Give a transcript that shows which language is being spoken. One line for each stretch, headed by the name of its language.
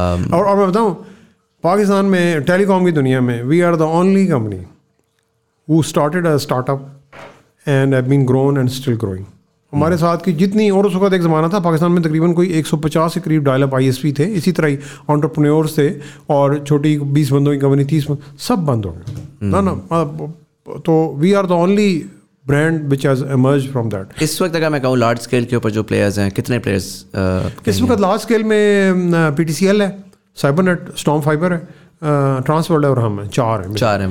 Urdu: اور میں بتاؤں پاکستان میں ٹیلی کام کی دنیا میں
English: We are the only company who started a startup and have been grown and still growing.
Urdu: ہمارے ساتھ کی جتنی اور اس وقت ایک زمانہ تھا پاکستان میں تقریباً کوئی 150 کے قریب dial up I S P تھے اسی طرح ہی آنٹرپرینورس تھے اور چھوٹی 20 بندوں کی کمپنی 30 سب بند ہو گئے نا نا.
English: تو we are the only brand which has emerge from that.
Urdu: اس وقت اگر میں کہوں لارج اسکیل کے اوپر جو پلیئرز ہیں کتنے پلیئرز اس وقت لارج اسکیل میں پی ٹی سی ایل ہے سائبر نیٹ اسٹارم فائبر ہے ٹرانسورڈ ہے اور ہم ہیں چار ہیں